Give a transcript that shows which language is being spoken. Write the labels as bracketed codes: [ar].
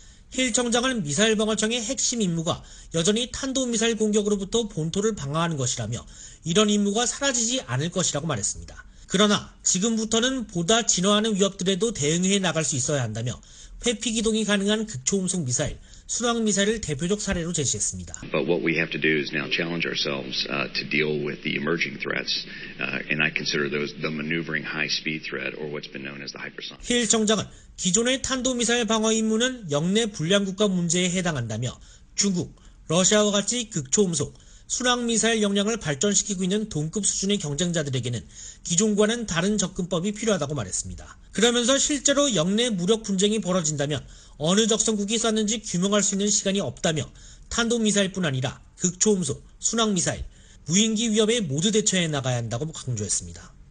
[ko] 힐 청장은 미사일 방어청의 핵심 임무가 여전히 탄도미사일 공격으로부터 본토를 방어하는 것이라며 이런 임무가 사라지지 않을 것이라고 말했습니다. 그러나 지금부터는 보다 진화하는 위협들에도 대응해 나갈 수 있어야 한다며 회피 기동이 가능한 극초음속 미사일, 순항 미사일을 대표적 사례로 제시했습니다. [en] But what we have to do is now challenge ourselves to deal with the emerging threats, and I consider those the maneuvering high-speed threat or what's been known as the hypersonic. [ko] 힐 정장은 기존의 탄도 미사일 방어 임무는 영내 불량 국가 문제에 해당한다며 중국, 러시아와 같이 극초음속 순항 미사일 역량을 발전시키고 있는 동급 수준의 경쟁자들에게는 기존과는 다른 접근법이 필요하다고 말했습니다. 그러면서 실제로 영내 무력 분쟁이 벌어진다면 어느 적성국이 쐈는지 규명할 수 있는 시간이 없다며 탄도미사일뿐 아니라 극초음속, 순항미사일, 무인기 위협에 모두 대처해 나가야 한다고 강조했습니다.